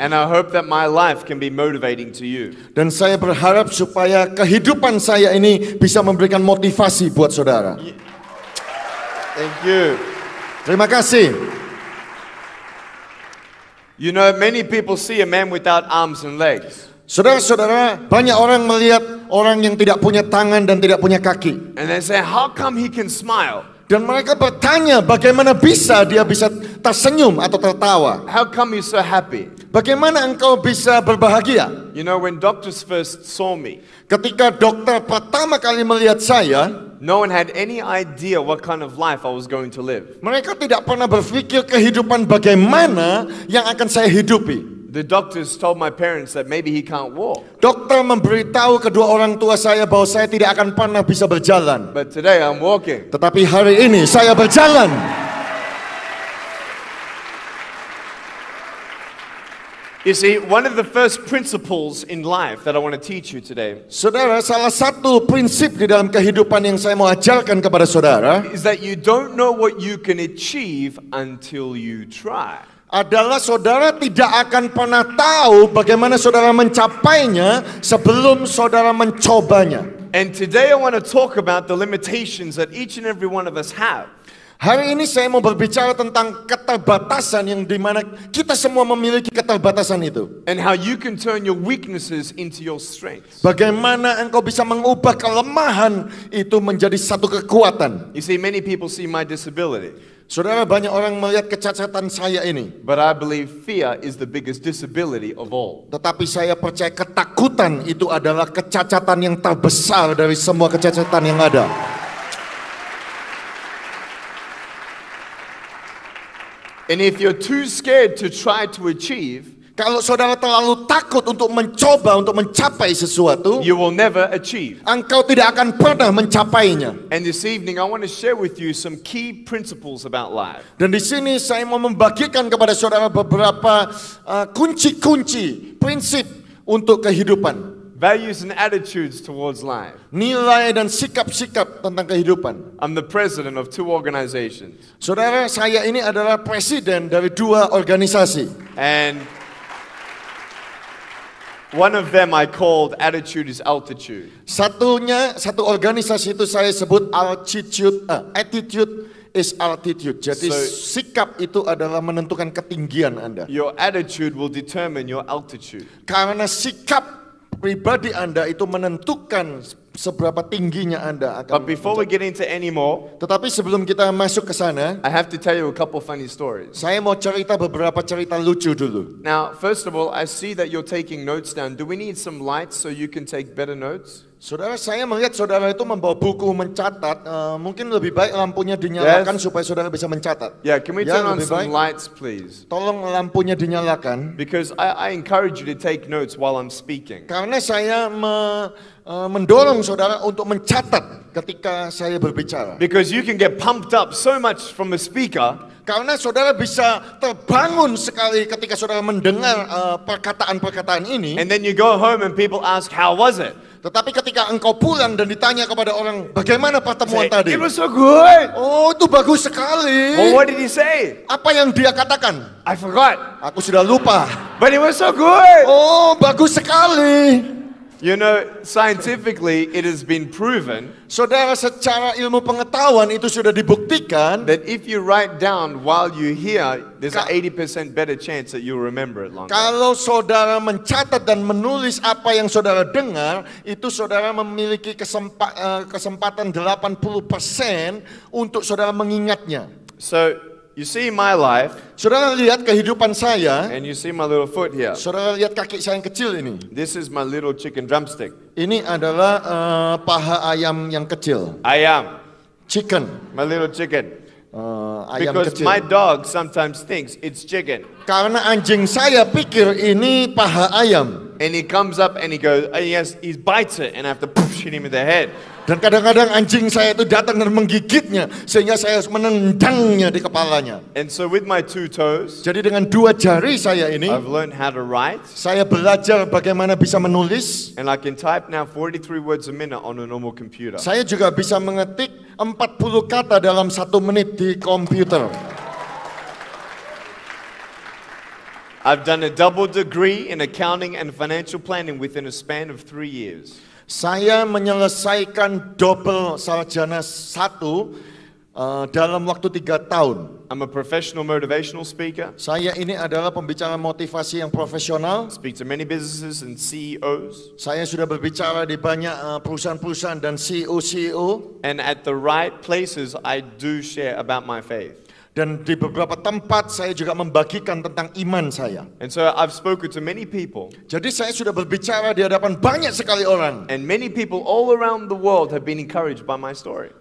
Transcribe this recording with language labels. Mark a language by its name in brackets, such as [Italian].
[English] And I hope that my life can be motivating to you. [Indonesian] Dan saya berharap supaya kehidupan saya ini bisa memberikan motivasi buat saudara. [English] Thank you. [Indonesian] Terima kasih. [English] You know, many people see a man without arms and legs. [Indonesian] Saudara-saudara, banyak orang melihat orang yang tidak punya tangan dan tidak punya kaki. [English] And they say, how come he can smile? [Indonesian] Dan mereka bertanya bagaimana bisa dia bisa tersenyum atau tertawa? [English] How come you so happy? [Indonesian] Bagaimana engkau bisa berbahagia? [English] You know, when doctors first saw me, [Indonesian] ketika dokter pertama kali melihat saya, [English] no one had any idea what kind of life I was going to live. [Indonesian] Mereka tidak pernah berpikir kehidupan bagaimana yang akan saya hidupi. [English] The doctors told my parents that maybe he can't walk. [Indonesian] Dokter memberitahu kedua orang tua saya bahwa saya tidak akan pernah bisa berjalan. [English] But today I'm walking. [Indonesian] Tetapi hari ini saya berjalan. [English] You see, one of the first principles in life that I want to teach you today. [Indonesian] Saudara, salah satu prinsip di dalam kehidupan yang saya mau ajarkan kepada saudara [English] is that you don't know what you can achieve until you try. [Indonesian] Adalah saudara tidak akan pernah tahu bagaimana saudara mencapainya sebelum saudara mencobanya. [English] And today I want to talk about the limitations that each and every one of us have. [Indonesian] Hari ini saya mau berbicara tentang keterbatasan yang dimana kita semua memiliki keterbatasan itu. [English] And how you can turn your weaknesses into your strengths. [Indonesian] Bagaimana engkau bisa mengubah kelemahan itu menjadi satu kekuatan? [English] You see, many people see my disability. [Indonesian] Saudara, banyak orang melihat kecacatan saya ini. [English] But I believe fear is the biggest disability of all. [Indonesian] Tetapi saya percaya ketakutan itu adalah kecacatan yang terbesar dari semua kecacatan yang ada. [English] And if you're too scared to try to achieve, [Indonesian] kalau saudara terlalu takut untuk mencoba untuk mencapai sesuatu, [English] you will never achieve. [Indonesian] Engkau tidak akan pernah mencapainya. [English] And this evening I want to share with you some key principles about life. [Indonesian] Dan di sini saya mau membagikan kepada saudara beberapa kunci-kunci prinsip untuk kehidupan. [English] Values and attitudes towards life. [Indonesian] Nilai dan sikap-sikap tentang kehidupan. [English] I'm the president of two organizations. [Indonesian] Saudara, saya ini adalah presiden dari dua organisasi. [English] And one of them I called attitude is altitude. [Indonesian] Satunya, satu organisasi itu saya sebut [English] attitude is altitude. [Indonesian] Jadi [English] so, [Indonesian] sikap itu adalah menentukan ketinggian Anda. [English] Your attitude will determine your altitude. [Indonesian] Karena sikap pribadi Anda itu menentukan seberapa tingginya Anda akan. [English] But before we get into any more, [Indonesian] tetapi sebelum kita masuk ke sana, [English] I have to tell you a couple of funny stories. [Indonesian] Saya mau cerita beberapa cerita lucu dulu. [English] Now, first of all, I see that you're taking notes down. Do we need some lights so you can take better notes? [Indonesian] Saudara, saya melihat saudara itu membawa buku mencatat. Mungkin lebih baik lampunya dinyalakan, [English] yes, [Indonesian] supaya saudara bisa mencatat. [English] Yeah, can we turn on some [Indonesian] baik [English] lights, please? [Indonesian] Tolong lampunya dinyalakan. [English] Because I encourage you to take notes while I'm speaking. [Indonesian] Karena saya mendorong saudara untuk mencatat ketika saya berbicara. [English] Because you can get pumped up so much from a speaker. [Indonesian] Karena saudara bisa terbangun sekali ketika saudara mendengar perkataan-perkataan ini. [English] And then you go home and people ask, how was it? [Indonesian] Tetapi ketika engkau pulang dan ditanya kepada orang, bagaimana pertemuan tadi? [English] It was so good. [Indonesian] Oh, itu bagus sekali. [English] Well, what did he say? [Indonesian] Apa yang dia katakan? [English] I forgot. [Indonesian] Aku sudah lupa. [English] But it was so good. [Indonesian] Oh, bagus sekali. [English] You know, scientifically, it has been proven. [Indonesian] Saudara, secara ilmu pengetahuan itu sudah dibuktikan. [English] That if you write down while you hear, there's an 80% better chance that you'll remember it longer. [Indonesian] Kalau saudara mencatat dan menulis apa yang saudara dengar, itu saudara memiliki kesempatan 80% untuk saudara mengingatnya. [English] So, you see my life. [Indonesian] Saudara lihat kehidupan saya. [English] And you see my little foot here. [Indonesian] Saudara lihat kaki saya yang kecil ini. [English] This is my little chicken drumstick. [Indonesian] Ini adalah paha ayam yang kecil. Ayam. [English] Chicken. My little chicken. [Indonesian] Ayam [English] because [Indonesian] kecil. [English] My dog sometimes thinks it's chicken. [Indonesian] Karena anjing saya pikir ini paha ayam. [English] And he comes up and he goes, he bites it, and I have to push him in the head. [Indonesian] Dan kadang-kadang anjing saya itu datang dan menggigitnya sehingga saya harus menendangnya di kepalanya. [English] And so with my two toes, [Indonesian] jadi dengan dua jari saya ini, [English] I've learned how to write. [Indonesian] Saya belajar bagaimana bisa menulis. [English] And I can type now 43 words a minute on a normal computer. [Indonesian] Saya juga bisa mengetik 40 kata dalam 1 menit di komputer. [English] I've done a double degree in accounting and financial planning within a span of 3 years. [Indonesian] Saya menyelesaikan double sarjana satu dalam waktu 3 tahun. [English] I'm a professional motivational speaker. [Indonesian] Saya ini adalah pembicara motivasi yang profesional. [English] I speak to many businesses and CEOs. [Indonesian] Saya sudah berbicara di banyak perusahaan-perusahaan dan CEO-CEO. [English] And at the right places, I do share about my faith. [Indonesian] Dan di beberapa tempat saya juga membagikan tentang iman saya. [English] And so I've spoken to many people. [Indonesian] Jadi saya sudah berbicara di hadapan banyak sekali orang. [English] And many people all around the world have been encouraged by my story.